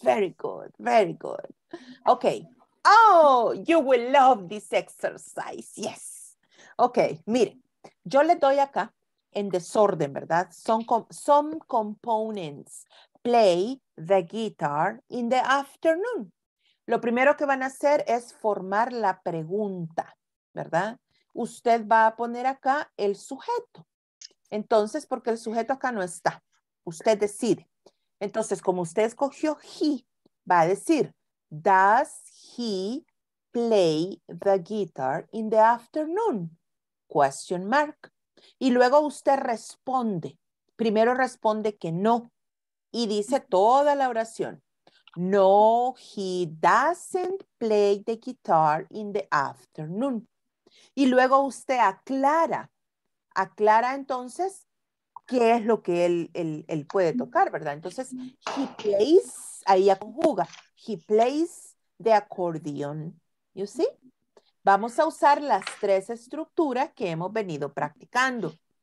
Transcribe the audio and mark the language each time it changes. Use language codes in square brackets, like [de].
[en] Very good, very good. Okay. Oh, you will love this exercise. Yes. Okay, mire. [es] Yo le doy acá en desorden, ¿verdad? [en] Some components play the guitar in the afternoon. [es] Lo primero que van a hacer es formar la pregunta, ¿verdad? Usted va a poner acá el sujeto. Entonces, porque el sujeto acá no está, usted decide. Entonces, como usted escogió he, va a decir, [en] does he play the guitar in the afternoon? Question mark. [es] Y luego usted responde. Primero responde que no. Y dice toda la oración. [en] No, he doesn't play the guitar in the afternoon. [es] Y luego usted aclara entonces qué es lo que él puede tocar, ¿verdad? [en] Entonces, he plays, [es] ahí ya conjuga, [en] he plays the accordion, you see? [es] Vamos a usar las tres estructuras que hemos venido practicando.